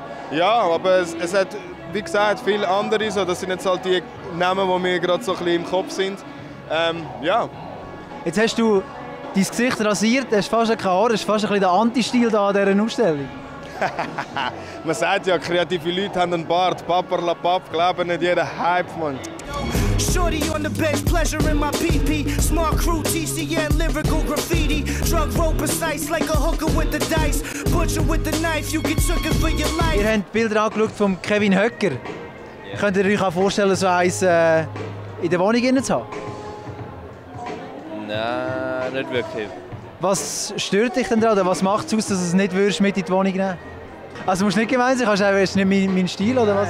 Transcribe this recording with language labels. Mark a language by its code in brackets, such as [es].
[de] Ja, aber es hat, wie gesagt, viele andere. So. Das sind jetzt halt die Namen, die mir gerade so im Kopf sind. Ja. Jetzt hast du dein Gesicht rasiert, hast fast keine Haare, hast fast ein bisschen der Anti-Stil da an dieser Ausstellung. Man sagt ja, kreative Leute haben einen Bart. Papa la Papp, glaube nicht jeder Hype, Mann. [en] Shorty on the bench, pleasure in my PP. Smart crew, TCN, lyrical graffiti. Drug rope precise, like a hooker with the dice. Butcher with the knife, you get took it for your life. [de] Wir haben die Bilder angeschaut von Kevin Höcker. Yeah. Könnt ihr euch auch vorstellen, so eins in der Wohnung zu haben? Nein, nicht wirklich. Was stört dich denn daran? Was macht es aus, dass du es nicht würdest mit in die Wohnung nehmen? Also musst du nicht gemein sein, kannst du sagen, es ist nicht mein Stil oder was?